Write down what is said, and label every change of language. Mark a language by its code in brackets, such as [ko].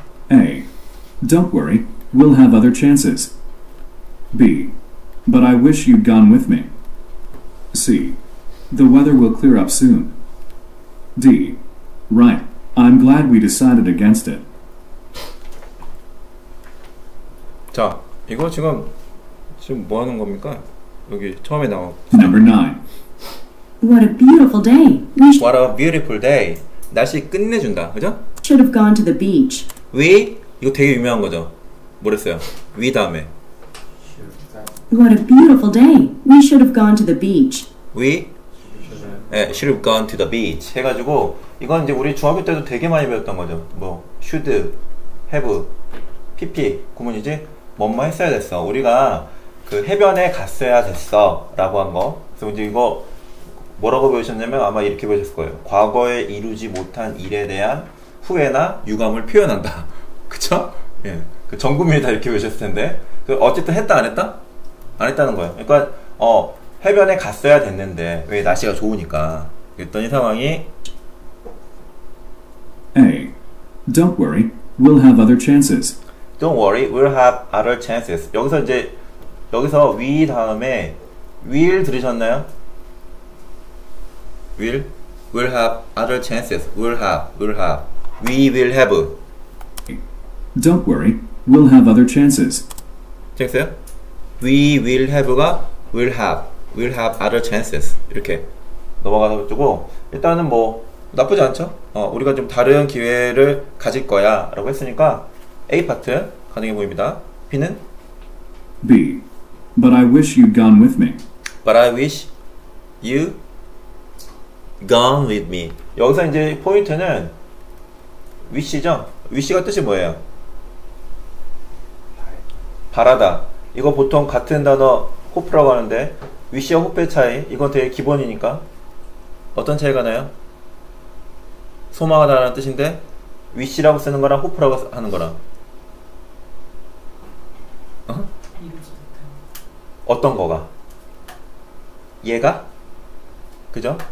[en] A. Don't worry. We'll have other chances. B. But I wish you'd gone with me. C. The weather will clear up soon. D. Right. I'm glad we decided against it. [ko] 자, 이거 지금 뭐 하는 겁니까? 여기 처음에 나와. [en] Number 9. What a beautiful day. What a beautiful day. [ko] 날씨 끝내준다. 그죠? [en] Should have gone to the beach. [ko] We? 이거 되게 유명한 거죠. 뭐랬어요? We 다음에. [en] What a beautiful day. We should have gone to the beach. We? 네, should have gone to the beach. [ko] 해가지고 이건 이제 우리 중학교 때도 되게 많이 배웠던 거죠. 뭐 should, have, pp 구문이지? 뭐뭐 했어야 됐어. 우리가 그 해변에 갔어야 됐어. 라고 한 거. 그래서 이제 이거 뭐라고 배우셨냐면 아마 이렇게 배우셨을 거예요. 과거에 이루지 못한 일에 대한 후회나 유감을 표현한다. 그쵸? 예. 그 전구미에 다 이렇게 배우셨을 텐데. 그 어쨌든 했다, 안 했다? 안 했다는 거예요. 그러니까, 해변에 갔어야 됐는데. 왜 날씨가 좋으니까. 그랬더니 상황이. [en] A. Don't worry. We'll have other chances. Don't worry. We'll have other chances. [ko] 여기서 이제, 여기서 we 다음에 will 들으셨나요? [en] We'll have other chances. We'll have. We will have. Don't worry. We'll have other chances. [ko] 됐어요? [en] We will have가 will have. We'll have other chances. [ko] 이렇게 넘어가가지고 일단은 뭐 나쁘지 않죠? 우리가 좀 다른 기회를 가질 거야 라고 했으니까 A 파트 가능해 보입니다. B는? [en] B. But I wish you'd gone with me. But I wish you gone with me. [ko] 여기서 이제 포인트는 wish죠? wish가 뜻이 뭐예요? 바라다. 이거 보통 같은 단어 hope라고 하는데 wish와 hope의 차이. 이건 되게 기본이니까 어떤 차이가 나요? 소망하다 라는 뜻인데 wish라고 쓰는 거랑 hope라고 하는 거랑 어떤 거가? 얘가? 그죠?